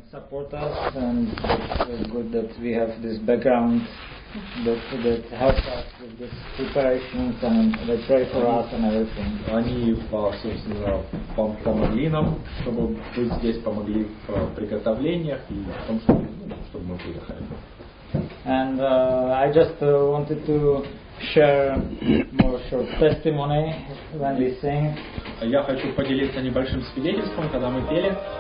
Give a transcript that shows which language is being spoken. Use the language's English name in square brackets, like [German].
[English] support us, and it's good that we have this background that helps us with this preparation, and they pray for us and everything. [Russian] Они, собственно, помогли нам, чтобы быть здесь, помогли в приготовлениях и в том, чтобы мы приехали. [English] And I just wanted to share more short testimony when we sing. [Russian] Я хочу поделиться небольшим свидетельством, когда мы пели.